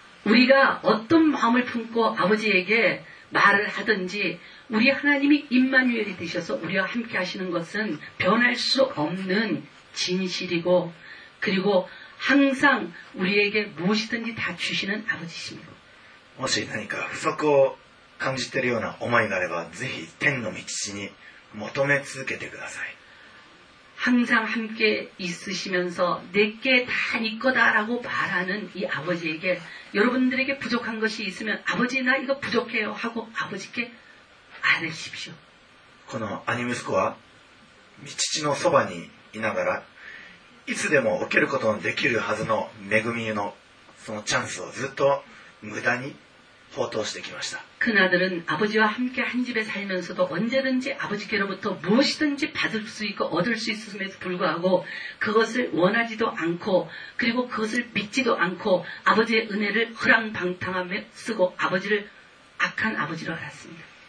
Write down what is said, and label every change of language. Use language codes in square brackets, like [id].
[ko] 우리가 어떤 마음을 품고 아버지에게 말을 하든지 우리 하나님이 임마누엘이 되셔서 우리와 함께 하시는 것은 변할 수 없는 진실이고 그리고 항상 우리에게 무엇이든지 다 주시는 아버지십니다. 혹시 뭔가 부족을 [ja] 感じているような思いがあれば、ぜひ天の道に求め続けてください。 [ko] 항상 함께 있으시면서 내게 다 네 거다라고 말하는 이 아버지에게 여러분들에게 부족한 것이 있으면 아버지 나 이거 부족해요 하고 아버지께 아뢰십시오. [ja] この兄息子は父のそばにいながらいつでも受けることのできるはずの恵みのそのチャンスをずっと無駄に放蕩してきました。 [ko] 그아들은아버지와함께한집에살면서도언제든지아버지께로부터무엇이든지받을수있고얻을수있음에도불구하고그것을원하지도않고그리고그것을믿지도않고아버지의은혜를허랑방탕함에쓰고아버지를악한아버지로알았습니다